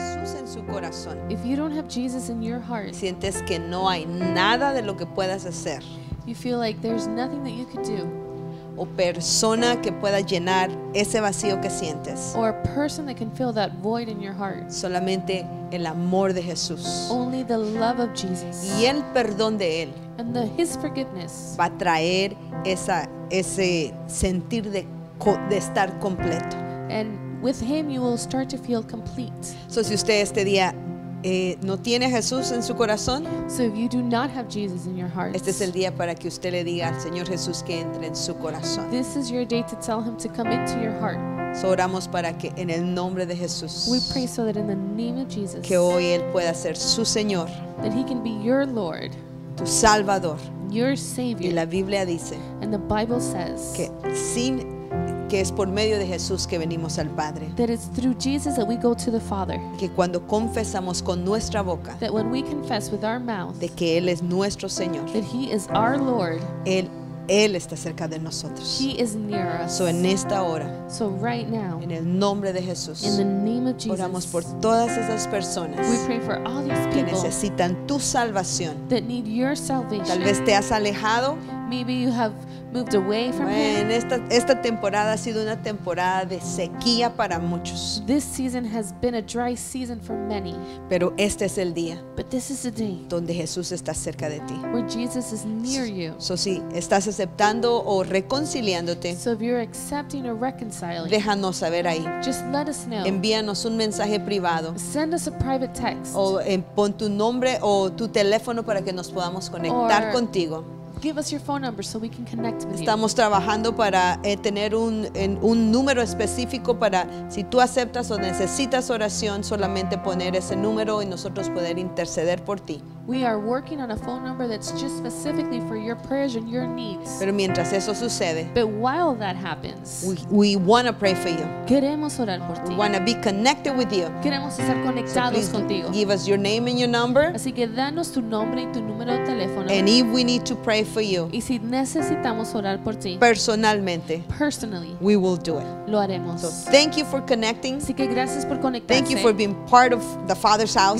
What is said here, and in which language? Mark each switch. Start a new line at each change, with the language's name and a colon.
English: If you don't have Jesus in your heart,
Spanish: sientes que no hay nada de lo que puedas hacer,
English: you feel like there's nothing that you could do,
Spanish: o persona que pueda llenar ese vacío que sientes,
English: or a person that can fill that void in your heart,
Spanish: solamente el amor de Jesús,
English: only the love of Jesus,
Spanish: y el perdón de él,
English: and his forgiveness,
Spanish: va a traer esa, ese sentir de estar completo.
English: And with him you will start to feel complete.
Spanish: So si usted este día no tiene a Jesús en su corazón,
English: so if you do not have Jesus in your heart,
Spanish: este es el día para que usted le diga al Señor Jesús que entre en su corazón.
English: This is your day to tell him to come into your heart.
Spanish: So oramos para que en el nombre de Jesús,
English: we pray so that in the name of Jesus,
Spanish: que hoy él pueda ser su Señor,
English: that he can be your Lord,
Spanish: tu Salvador,
English: your Savior.
Spanish: Y la Biblia dice,
English: and the Bible says,
Spanish: que sin, que es por medio de Jesús que venimos al Padre,
English: that it's through Jesus that we go to the Father,
Spanish: que cuando confesamos con nuestra boca,
English: that when we confess with our mouth,
Spanish: de que él es nuestro Señor,
English: that he is our Lord,
Spanish: él está cerca de nosotros,
English: he is near us.
Spanish: So en esta hora,
English: so right now,
Spanish: en el nombre de Jesús,
English: in the name of Jesus,
Spanish: oramos por todas esas personas,
English: we pray for all these people,
Spanish: que necesitan tu salvación,
English: that need your salvation.
Spanish: Tal vez te has alejado,
English: maybe you have moved away from him.
Spanish: Bueno, esta temporada ha sido una temporada de sequía para muchos.
English: This season has been a dry season for many.
Spanish: Pero este es el día,
English: but this is the day,
Spanish: donde Jesús está cerca de ti,
English: where Jesus is near you.
Spanish: So si estás aceptando o reconciliándote,
English: so if you're accepting or reconciling,
Spanish: déjanos saber ahí.
English: Just let us know.
Spanish: Envíanos un mensaje privado.
English: Send us a private text.
Spanish: O pon tu nombre o tu teléfono para que nos podamos conectar contigo.
English: Give us your phone number so we can connect with you.
Spanish: Estamos trabajando para tener un número específico para si tú aceptas o necesitas oración, solamente poner ese número y nosotros poder interceder por ti.
English: We are working on a phone number that's just specifically for your prayers and your needs.
Spanish: Pero mientras eso sucede,
English: but while that happens, we want to pray for you.
Spanish: Queremos orar por ti.
English: We want to be connected with you.
Spanish: Queremos estar conectados,
English: so please,
Spanish: contigo.
English: Give us your name and your number.
Spanish: Así que danos tu nombre y tu número de teléfono.
English: And if we need to pray for you,
Spanish: y si necesitamos orar por ti, personalmente,
English: personally, we will do it.
Spanish: Lo haremos.
English: So thank you for connecting.
Spanish: Así que gracias por conectarse.
English: Thank you for being part of the Father's house.